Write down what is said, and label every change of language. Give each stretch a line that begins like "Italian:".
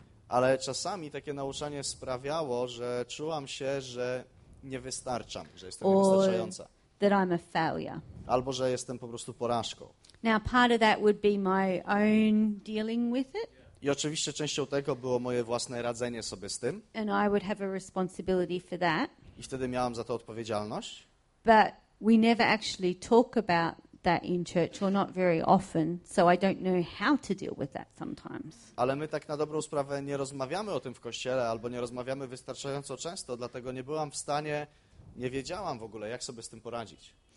Polish: Ale czasami takie nauczanie sprawiało, że czułam się, że nie wystarczam, że jestem niewystarczająca.
English: That I'm a failure.
Polish: Albo że jestem po prostu porażką.
English: Now part of that would be my own dealing with it.
Polish: I oczywiście częścią tego było moje własne radzenie sobie z tym.
English: And I would have a responsibility for that.
Polish: I wtedy miałam za to odpowiedzialność.
English: But we never actually talk about that in church, or not very often, so I don't know how to deal with that sometimes.
Polish: Ale my tak na dobrą sprawę nie rozmawiamy o tym w kościele, albo nie rozmawiamy wystarczająco często, dlatego nie byłam w stanie, nie wiedziałam w ogóle, jak sobie z tym poradzić.